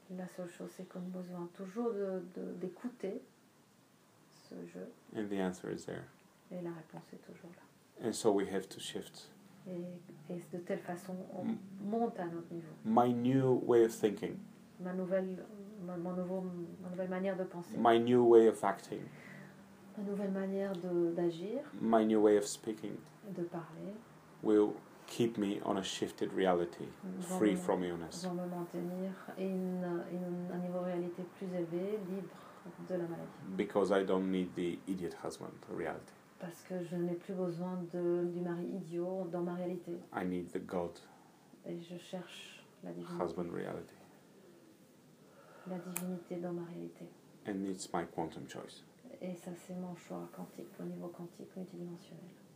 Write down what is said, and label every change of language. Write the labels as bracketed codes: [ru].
[fr] La seule chose, c'est qu'on a besoin toujours d'écouter. [en] And the answer is there. [fr] Et la réponse est toujours là. [en] And so we have to shift. [fr] Et de telle façon, on monte à notre niveau. [en] My new way of thinking. [fr] Ma nouvelle manière de penser. [en] My new way of acting. [fr] Ma nouvelle manière d'agir. [en] My new way of speaking. [fr] De parler. [en] Will keep me on a shifted reality, free from illness. [fr] Va me maintenir un niveau de réalité plus élevé, libre. De la maladie. [en] Because I don't need the idiot husband reality. [fr] Parce que je n'ai plus besoin du mari idiot dans ma réalité. [en] I need the God. [fr] Et je cherche la divinité. [en] Husband reality. [fr] La divinité dans ma réalité. [en] And it's my quantum choice. [fr] Et ça c'est mon choix quantique au niveau quantique multidimensionnel.